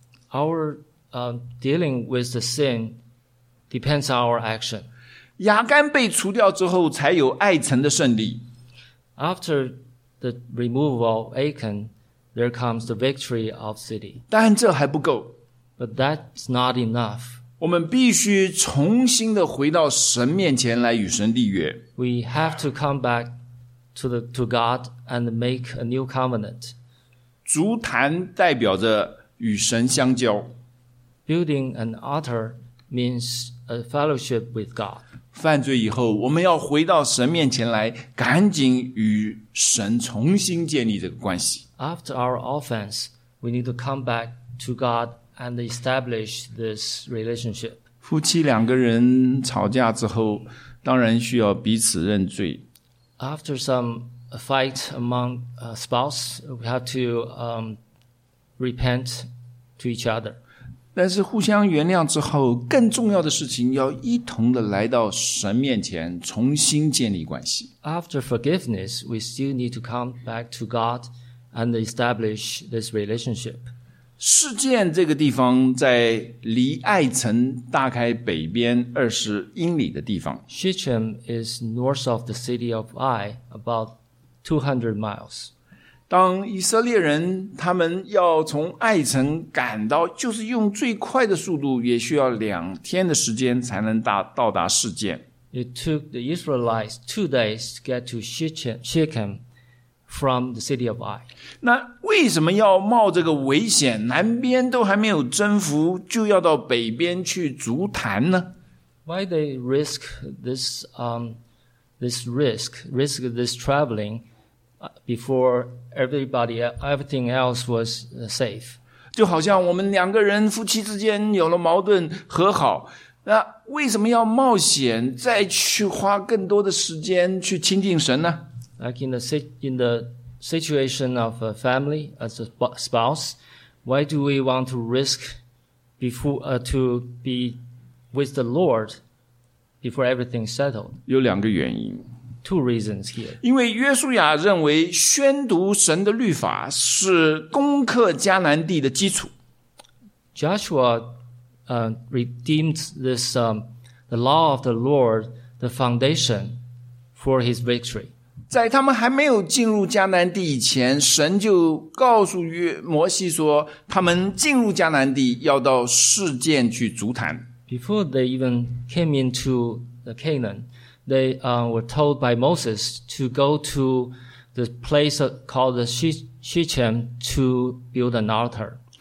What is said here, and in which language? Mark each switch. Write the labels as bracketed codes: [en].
[en] Our dealing with the sin depends on our action. [zh] 亚干被除掉之后才有爱城的胜利。 [en] After the removal of Achan,There comes the victory of city. [zh] 但这还不够。 [en] But that's not enough. [zh] 我们必须重新的回到神面前来与神立约。 [en] We have to come back to God and make a new covenant. [zh] 筑坛代表着与神相交。 [en] Building an altar means a fellowship with God. [zh] 犯罪以后我们要回到神面前来赶紧与神重新建立这个关系。 [en] After our offense, we need to come back to God and establish this relationship. [zh] 夫妻两个人吵架之后，当然需要彼此认罪。 [en] After some fight among spouse, we have to repent to each other. [zh] 但是互相原谅之后，更重要的事情要一同的来到神面前，重新建立关系。 [en] After forgiveness, we still need to come back to God. And establish this relationship. [zh] 事件这个地方在离爱城大概北边20英里的地方。 [en] Shechem is north of the city of Ai, about 200 miles. [zh] 当以色列人他们要从爱城赶到，就是用最快的速度，也需要两天的时间才能到达事件。 [en] It took the Israelites 2 days to get to Shechem. From the city of Ai. [zh] 那为什么要冒这个危险？南边都还没有征服，就要到北边去筑坛呢 [en] why they risk this, this risk this traveling before everybody, everything else was safe. [zh] 就好像我们两个人夫妻之间有了矛盾和好，那为什么要冒险再去花更多的时间去亲近神呢？ [en] Like in the situation of a family as a spouse, why do we want to risk before, to be with the Lord before everything settled? [zh] 有两个原因。 [en] Two reasons here. [zh] 因为约书亚认为宣读神的律法是攻克迦南地的基础。 [en] Joshua, redeemed this, the law of the Lord, the foundation for his victory. [zh] 在他们还没有进入迦南地以前，神就告诉约摩西说，他们进入迦南地要到示剑去筑坛。 [en] Before they even came into the Canaan, they were told by Moses to go to the place called the Shechem to build an altar.